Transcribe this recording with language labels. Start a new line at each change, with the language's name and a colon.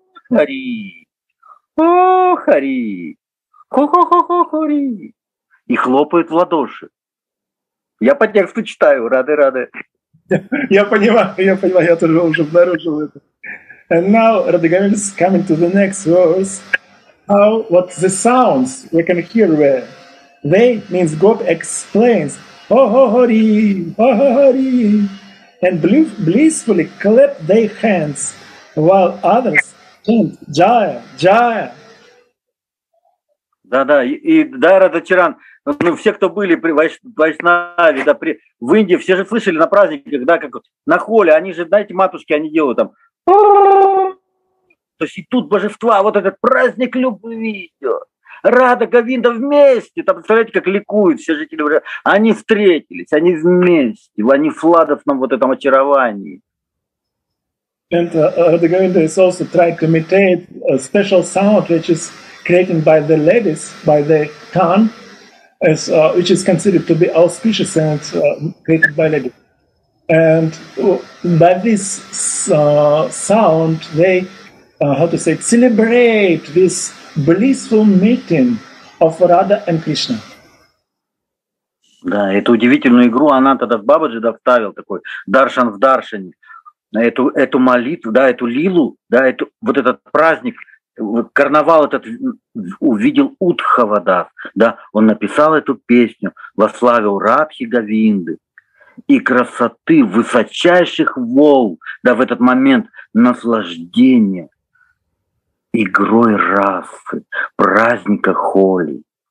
Russian: Хари, о, хари, хо-хо-хо-хо, хари. И хлопают в ладоши. Я по тексту читаю, рады-рады. Я понимаю, я тоже уже обнаружил это.
English: And now Radha Govinda is coming to the next verse. How what the sounds we can hear where they means Gopi explains ho ho hori ho ho hori and blissfully clap their hands while others chant jaya jaya.
Russian: Да да и да Радхачаран, ну все кто были при Вайшнаве, да при в Индии все же слышали на праздниках, да, как вот на холе они же, знаете, матушки они делают там. То есть и тут божества, вот этот праздник любви идет. Радха Говинда вместе. Там, представляете, как ликуют все жители. Они встретились, они вместе. Они в сладостном вот этом очаровании.
English: And Radha Govinda is also trying to imitate a special sound, which is created by the ladies, by the khan, which is considered to be auspicious and created by ladies. And by this sound, they celebrate this blissful meeting of Radha and Krishna.
Russian: Да, эту удивительную игру Ананта Бабаджи вставил, такой даршан в даршане. Эту молитву, да, эту лилу, да, эту, вот этот праздник, карнавал этот увидел Удхавадас, да, он написал эту песню во славу Радхи Говинды и красоты высочайших волн, да, в этот момент наслаждения игрой расы, праздника Холи.